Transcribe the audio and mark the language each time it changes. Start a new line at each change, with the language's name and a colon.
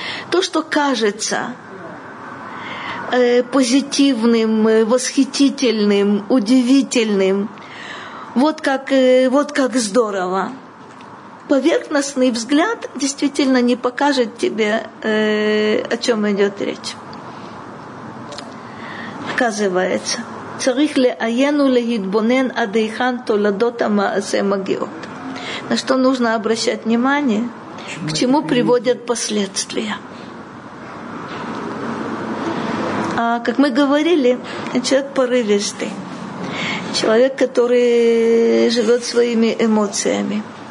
Russian: То, что кажется позитивным, восхитительным, удивительным, вот как здорово. Поверхностный взгляд действительно не покажет тебе, о чем идет речь. Оказывается,
Hebrew: צריך לעיין ולהתבונן עד היכן תולדות המעשה מגיעות.
Russian: На что нужно обращать внимание? К чему приводят последствия? А как мы говорили, человек порывистый. Человек, который живет своими эмоциями.